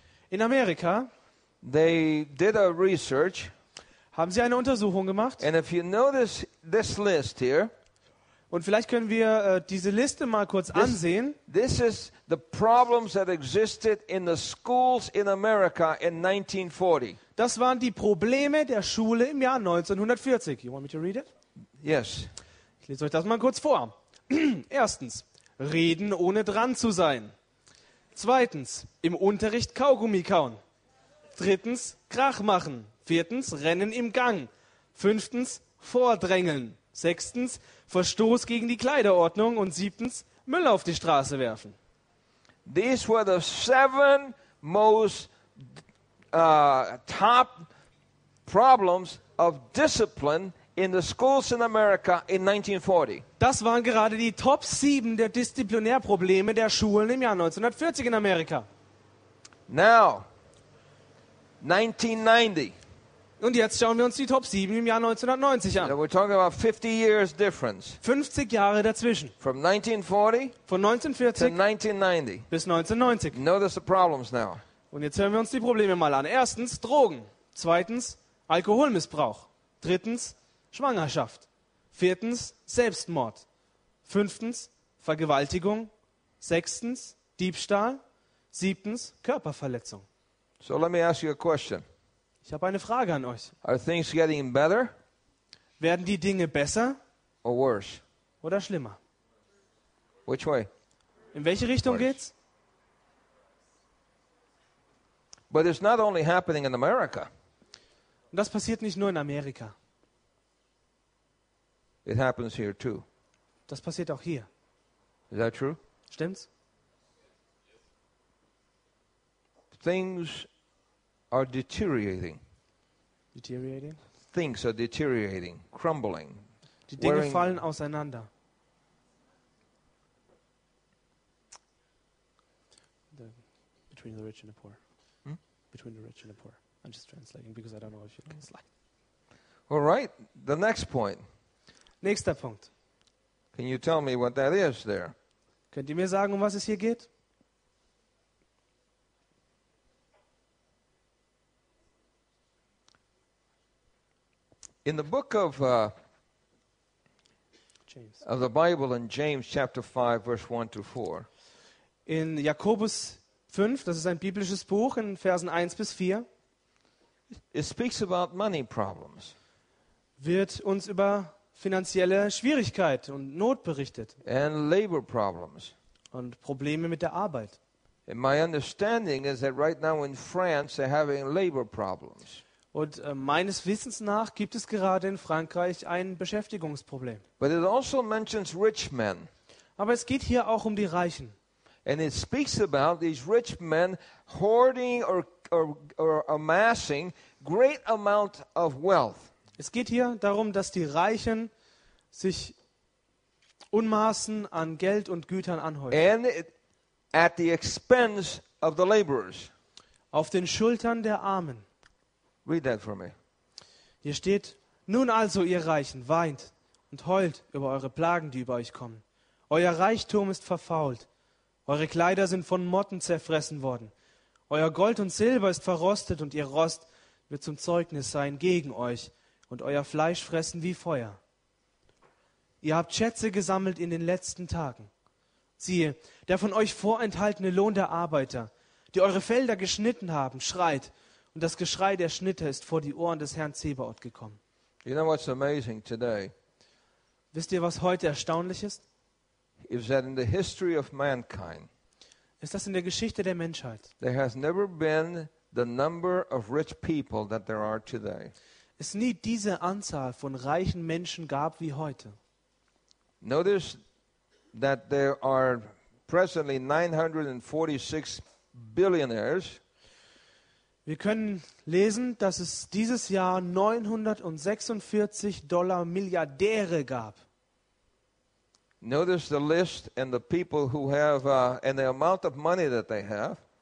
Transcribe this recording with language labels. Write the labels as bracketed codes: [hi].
[en] In Amerika, they did a research. [de] Haben sie eine Untersuchung gemacht? [en] And if you notice this list here. [de] Und vielleicht können wir diese Liste mal kurz ansehen. [en] This is the problems that existed in the schools in America in 1940. [de] Das waren die Probleme der Schule im Jahr 1940. [en] You want me to read it? Yes. [de] Ich lese euch das mal kurz vor. Erstens, reden ohne dran zu sein. Zweitens, im Unterricht Kaugummi kauen. Drittens, Krach machen. Viertens, rennen im Gang. Fünftens, vordrängeln. Sechstens, Verstoß gegen die Kleiderordnung. Und siebtens, Müll auf die Straße werfen. [en] These were the seven most top problems of discipline in the schools in America in 1940. [de] Das waren gerade die Top 7 der Disziplinärprobleme der Schulen im Jahr 1940 in Amerika. [en] Now, 1990. [de] Und jetzt schauen wir uns die Top 7 im Jahr 1990 an. [en] We're talking about 50 years difference. [de] 50 Jahre dazwischen. [en] From 1940 [de] von 1940 [en] to 1990. [de] Bis 1990. [en] Notice the problems now. [de] Und jetzt hören wir uns die Probleme mal an. Erstens, Drogen. Zweitens, Alkoholmissbrauch. Drittens, Schwangerschaft. Viertens, Selbstmord. Fünftens, Vergewaltigung. Sechstens, Diebstahl. Siebtens, Körperverletzung. [en] So let me ask you a question. [de] Ich habe eine Frage an euch. [en] Are things getting better? [de] Werden die Dinge besser? [en] Or worse? [de] Oder schlimmer? [en] Which way? [de] In welche Richtung [en] worse [de] geht's? [en] But it's not only happening in America. [de] Und das passiert nicht nur in Amerika. [en] It happens here too. [de] Das passiert auch hier. [en] Is that true? [de] Stimmt's? [en] Things are deteriorating. Deteriorating? Things are deteriorating, crumbling. [de] Die Dinge fallen auseinander. [en] Between the rich and the poor. Between the rich and the poor. I'm just translating because I don't know if you can slide. All right, the next point. [de] Nächster Punkt. [en] Can you tell me what that is there? [de] Könnt ihr mir sagen, um was es hier geht? [en] In the book of James. Of the Bible in James chapter 5 verse 1 to 4. [de] In Jakobus 5, das ist ein biblisches Buch, in Versen 1 bis 4. [en] It speaks about money problems. [de] Wird uns über finanzielle Schwierigkeit und Not berichtet. [en] And labor problems. [de] Und Probleme mit der Arbeit. [en] And my understanding is that right now in France they're having labor problems. [de] Und meines Wissens nach gibt es gerade in Frankreich ein Beschäftigungsproblem. [en] But it also mentions rich men. [de] Aber es geht hier auch um die Reichen. [en] And it speaks about these rich men hoarding or amassing great amount of wealth. [de] Es geht hier darum, dass die Reichen sich Unmaßen an Geld und Gütern anhäufen. [en] And at the expense of the laborers. Auf den Schultern der Armen. Read that for me. [de] Hier steht: Nun also, ihr Reichen, weint und heult über eure Plagen, die über euch kommen. Euer Reichtum ist verfault. Eure Kleider sind von Motten zerfressen worden. Euer Gold und Silber ist verrostet und ihr Rost wird zum Zeugnis sein gegen euch und euer Fleisch fressen wie Feuer. Ihr habt Schätze gesammelt in den letzten Tagen. Siehe, der von euch vorenthaltene Lohn der Arbeiter, die eure Felder geschnitten haben, schreit, und das Geschrei der Schnitter ist vor die Ohren des Herrn Zebaoth gekommen. [en] You know what's amazing today? [de] Wisst ihr, was heute erstaunlich ist? [en] Is that in the history of mankind? [de] Ist das in der Geschichte der Menschheit? [en] There has never been the number of rich people that there are today. [de] Es nie diese Anzahl von reichen Menschen gab wie heute. [en] Notice that there are presently 946 billionaires. [de] Wir können lesen, dass es dieses Jahr 946 Dollar Milliardäre gab. [en] Notice the list and the people who have and the amount of money that they have.